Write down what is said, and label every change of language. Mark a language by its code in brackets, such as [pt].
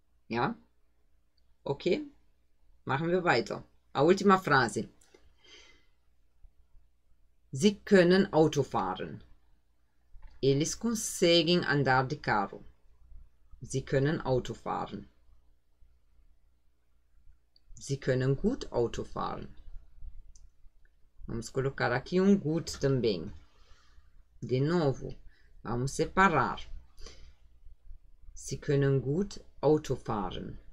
[pt] Já? Ok? [de] Machen wir weiter. [pt] A última frase. [de] Sie können Auto fahren. [pt] Eles conseguem andar de carro. [de] Sie können Auto fahren. Sie können gut Auto fahren. [pt] Vamos colocar aqui um gut também. De novo, vamos separar. [de] Sie können gut Auto fahren.